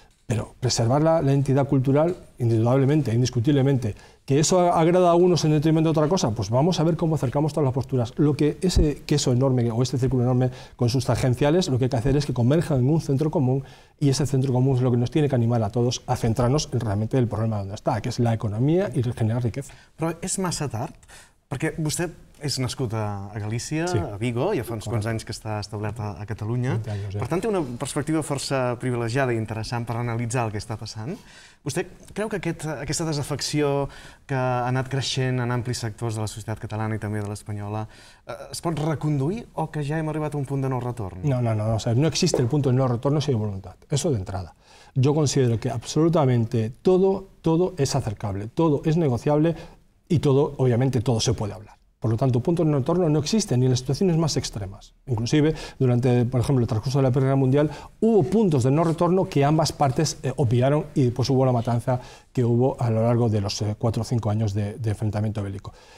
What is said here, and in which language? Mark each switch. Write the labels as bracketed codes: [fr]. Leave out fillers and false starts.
[es] Pero preservar la entidad cultural, indudablemente, indiscutiblemente, que eso agrada a unos en detrimento de otra cosa, pues vamos a ver cómo acercamos todas las posturas. Lo que ese queso enorme o este círculo enorme con sus tangenciales, lo que hay que hacer es que converjan en un centro común, y ese centro común es lo que nos tiene que animar a todos a centrarnos en realmente el problema donde está, que es la economía y generar riqueza. [ca] Però és massa tard, perquè vostè és nascut a Galícia, sí. A Vigo, ja fa uns quants anys que està establert a Catalunya. Anys, ja. Per tant, té una perspectiva força privilegiada i interessant per analitzar el que està passant. Vostè creu que aquesta desafecció que ha anat creixent en amplis sectors de la societat catalana i també de l'espanyola es pot reconduir o que ja hem arribat a un punt de no retorn? [es] No. O sea, no existe el [ca] punt de no retorn [es] si hay voluntat. Eso de entrada. Yo considero que absolutamente todo es acercable, todo es negociable y todo, obviamente, todo se puede hablar. Por lo tanto, puntos de no retorno no existen ni en las situaciones más extremas. Inclusive, durante, por ejemplo, el transcurso de la Primera Guerra Mundial, hubo puntos de no retorno que ambas partes obviaron y después hubo la matanza que hubo a lo largo de los 4 o 5 años de enfrentamiento bélico.